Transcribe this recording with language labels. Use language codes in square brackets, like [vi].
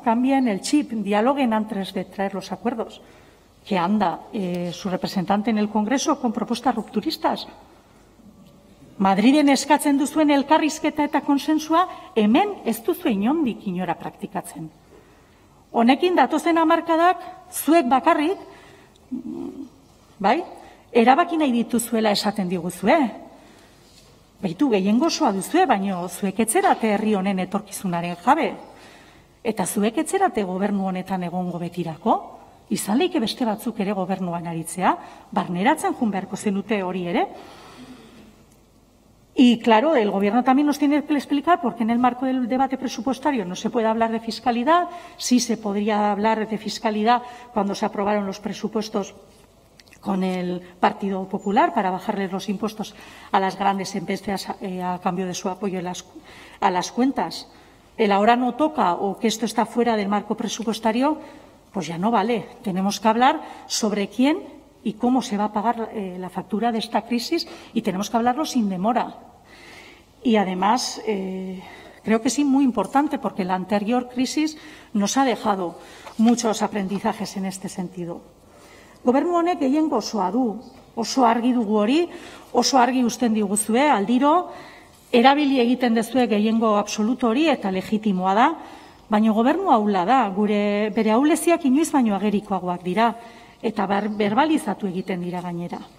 [es] Cambien el chip, dialoguen antes de traer los acuerdos. ¿Qué anda su representante en el Congreso con propuestas rupturistas? [eu] Madriden eskatzen duzuen elkarrizketa eta konsensua, hemen ez duzu inondik inora praktikatzen. Honekin datozen hamarkadak, zuek bakarrik, bai, erabaki nahi dituzuela esaten diguzue. Beitu, gehiengosoa duzue, baino zuek etzerate herri honen etorkizunaren jabe. Eta zuek etzerate gobernu honetan egongo betirako, izan leike beste batzuk ere gobernuan aritzea, barneratzen jun beharko zenute hori ere. [es] Y claro, el Gobierno también nos tiene que explicar por qué en el marco del debate presupuestario no se puede hablar de fiscalidad, sí se podría hablar de fiscalidad cuando se aprobaron los presupuestos con el Partido Popular para bajarles los impuestos a las grandes empresas a cambio de su apoyo a las cuentas. El ahora no toca o que esto está fuera del marco presupuestario, pues ya no vale. Tenemos que hablar sobre quién y cómo se va a pagar la factura de esta crisis, y tenemos que hablarlo sin demora. Y además, creo que sí, muy importante, porque la anterior crisis nos ha dejado muchos aprendizajes en este sentido. [eu] Gobernu honek gehiengo osoa du, oso argi dugu hori, oso argi uzten diguzue, aldiro, erabili egiten duzue gehiengo absolutu hori eta legitimoa da, baina gobernu ahula da, gure bere ahuleziak inoiz baino agerikoagoak dira, eta berbalizatu egiten dira gainera.